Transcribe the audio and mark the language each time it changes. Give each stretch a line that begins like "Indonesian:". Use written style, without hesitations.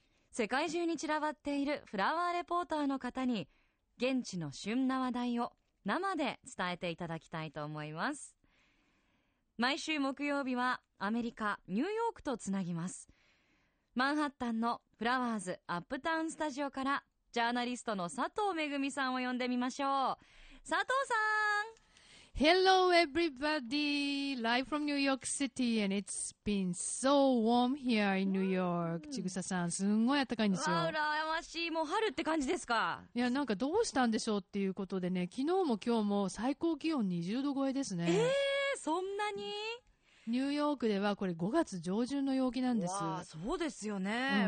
Japanese: 世界中に散らばっているフラワーレポーターの方に現地の旬な話題を生で伝えていただきたいと思います。毎週木曜日はアメリカニューヨークとつなぎます。マンハッタンのフラワーズアップタウンスタジオからジャーナリストの佐藤めぐみさんを呼んでみましょう。佐藤さん。
English: Hello everybody, live from New York City, and it's been so warm here in New York.
Japanese: ちぐささん、すんごい暖かいんですよ。うらやましい。もう春って感じですか。いや、なんかどうしたんでしょうっていうことでね、昨日も今日も最高気温20度超えですね。そんなに。ニューヨークではこれ5月上旬の陽気なんです。わあ、そうですよね、